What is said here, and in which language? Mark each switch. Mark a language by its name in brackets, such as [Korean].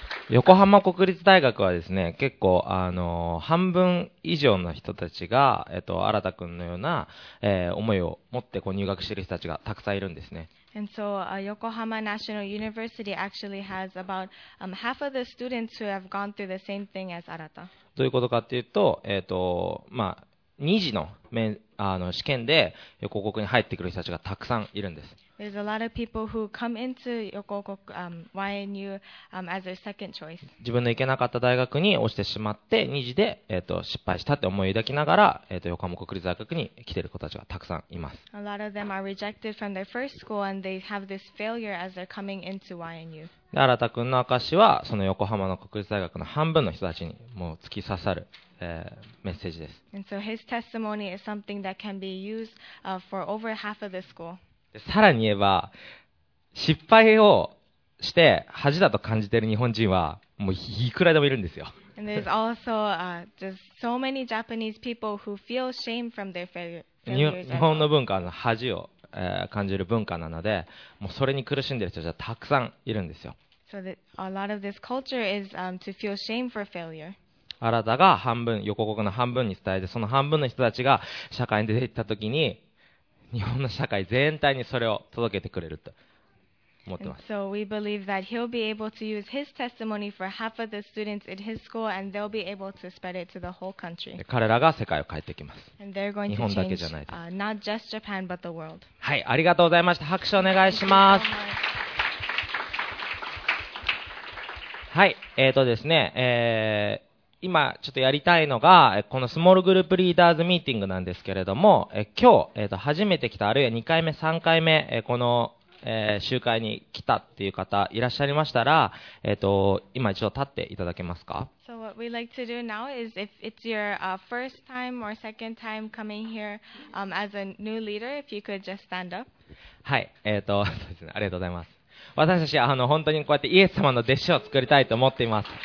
[Japanese] 横浜国立大学はですね、結構、半分以上の人たちが、新田くんのような、思いを持ってこう入学している人たちがたくさんいるんですね。 [English] And so, Yokohama National University actually has about half of the students who have gone through the same thing as Arata. [Japanese] どういうことかっていうと、まあ、二次の試験で予告に入ってくる人たちがたくさんいるんです。 [English] There's a lot of people who come into Yokoku, YNU, as their second choice. [Japanese] 自分の行けなかった大学に落ちてしまって、二次で、失敗したって思い抱きながら、横浜国立大学に来ている子たちがたくさんいます。 [English] A lot of them are rejected from their first school and they have this failure as they're coming into YNU. [Japanese] 新田君の証は、その横浜の国立大学の半分の人たちにもう突き刺さる。メッセージです。 [English] And so his testimony is something that can be used, for over half of the school. [Japanese] さらに言えば、失敗をして恥だと感じている日本人はもういくらでもいるんですよ。 [English] And there's also, just so many Japanese people who feel shame from their failure. [Japanese] 日本の文化の恥を、感じる文化なので、もうそれに苦しんでいる人じゃたくさんいるんですよ。 [English] So that a lot of this culture is, to feel shame for failure. [Japanese] あなたが半分、横国の半分に伝えて、その半分の人たちが社会に出ていったときに、日本の社会全体にそれを届けてくれると思ってます。 [English] And so we believe that he'll be able to use his testimony for half of the students in his school, and they'll be able to spread it to the whole country. [Japanese] 彼らが世界を変えていきます。 [English] And they're going to change, not just Japan, but the world. [Japanese] はい、ありがとうございました。拍手お願いします。はい、ですね、今ちょっとやりたいのがこのスモールグループリーダーズミーティングなんですけれども、今日、初めて来たあるいは2回目3回目、この、集会に来たっていう方いらっしゃいましたら、今一度立っていただけますか。 [English] So what we like to do now is if it's your, first time or second time coming here, as a new leader, if you could just stand up. [Japanese] はい、そうですね、ありがとうございます。私たち本当にこうやってイエス様の弟子を作りたいと思っています。